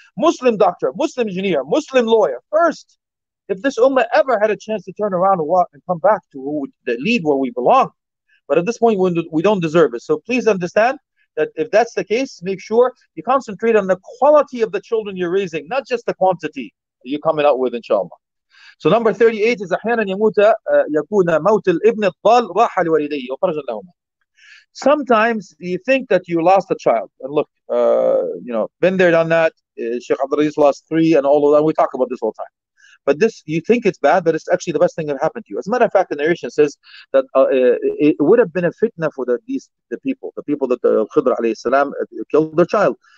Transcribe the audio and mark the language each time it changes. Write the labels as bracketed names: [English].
[English] Muslim doctor, Muslim engineer, Muslim lawyer. First, if this ummah ever had a chance to turn around and walk and come back to who would lead where we belong. But at this point, we don't deserve it. So please understand that if that's the case, make sure you concentrate on the quality of the children you're raising, not just the quantity you're coming out with, inshallah. So number 38 is [Arabic] أحياناً يموت يكون موت الابن الضال راحة لوالديه وفرجاً لهما. [English] Sometimes you think that you lost a child. And look, you know, been there, done that. Sheikh Abdulaziz lost three and all of that. We talk about this all the time. But this, you think it's bad, but it's actually the best thing that happened to you. As a matter of fact, the narration says that it would have been a fitna for the people that Khidr alayhi salam killed their child.